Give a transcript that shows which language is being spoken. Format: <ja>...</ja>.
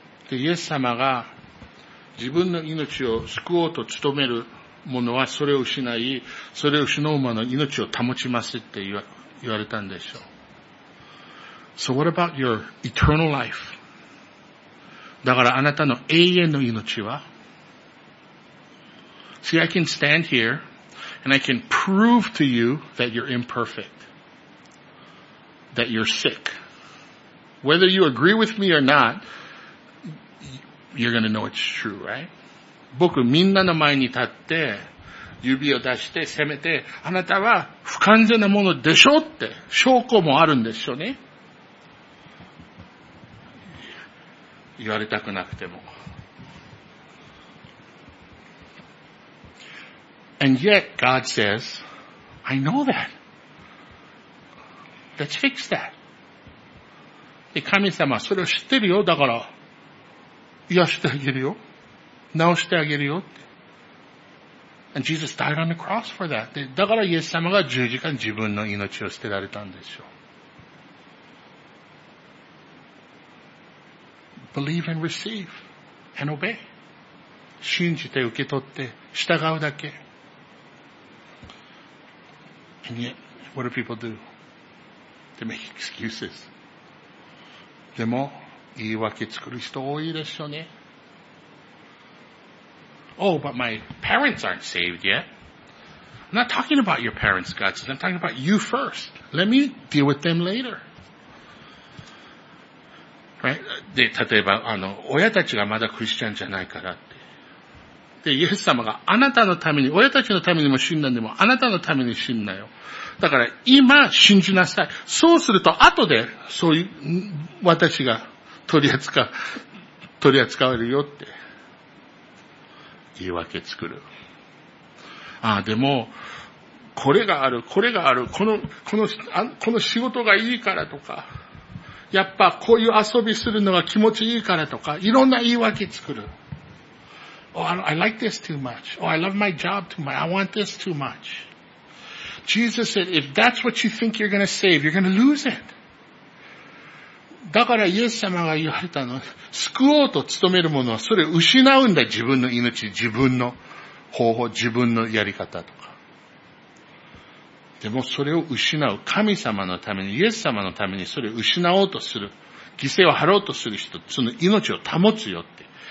<ja>で、イエス様が自分の命を救おうと努める者はそれを失い、それを失う者の命を保ちますって言われたんでしょう。</ja> <en>So what about your eternal life?</en> <ja>だからあなたの永遠の命は、</ja> <en>See, I can stand here and I can prove to you that you're imperfect, that you're sick. Whether you agree with me or not, you're going to know it's true, right?</en> <ja>僕みんなの前に立って指を出してせめてあなたは不完全なものでしょって証拠もあるんでしょうね。言われたくなくても。</ja> <en>And yet, God says, I know that. Let's fix that.</en> <ja>で、神様、それを知ってるよ。だから、癒してあげるよ。直してあげるよって。</ja> <en>And Jesus died on the cross for that.</en> <ja>で、だから、イエス様が十字架に自分の命を捨てられたんですよ。</ja> <en>Believe and receive and obey.</en> <ja>信じて受け取って、従うだけ。</ja> <en>And yet, what do people do? They make excuses.</en> <ja>でも、言い訳作る人多いでしょうね。</ja> <en>Oh, but my parents aren't saved yet. I'm not talking about your parents, God says. I'm talking about you first. Let me deal with them later. Right?</en> <ja>で、例えば、親たちがまだクリスチャンじゃないからって。で、イエス様があなたのために、親たちのためにも死んだんでも、あなたのために死んだよ。だから、今、信じなさい。そうすると、後で、そういう、私が取り扱われるよって。言い訳作る。ああ、でも、これがある、これがある、この仕事がいいからとか。やっぱこういう遊びするのが気持ちいいからとか、いろんな言い訳作る。</ja> <en>Oh, I like this too much. Oh, I love my job too much. I want this too much. Jesus said, if that's what you think you're going to save, you're going to lose it.</en> <ja>だからイエス様が言われたの、救おうと努める者はそれを失うんだ、自分の命、自分の方法、自分のやり方とか。でもそれを失う、神様のために、イエス様のためにそれを失おうとする、犠牲を払おうとする人、その命を保つよって。</ja>